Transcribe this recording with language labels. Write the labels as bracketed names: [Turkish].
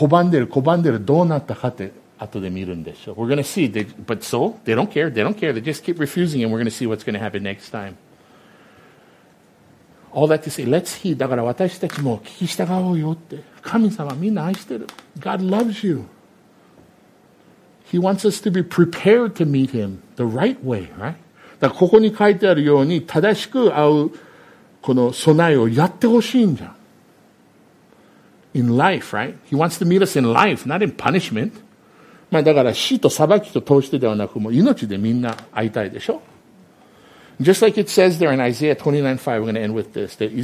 [Japanese] 今日ここで終わるんですけど、今度ね、5章とか入ると、まあずっと拒んでる、どうなったかって後で見るんでしょう。 [English] We're going to see, they don't care, They just keep refusing and we're going to see what's going to happen next time. All that to say, let's heed. [Japanese] だから私たちも聞き従おうよって。神様みんな愛してる。 [English] God loves you. He wants us to be prepared to meet him the right way, right? [Japanese] だからここに書いてあるように正しく会うこの備えをやってほしいんじゃん。 [English] In life, right? He wants to meet us in life, not in punishment. [Japanese] まあだから死と裁きと通してではなく、もう命でみんな会いたいでしょ? [English] Just like it says there in Isaiah 29:5, we're going to end with this.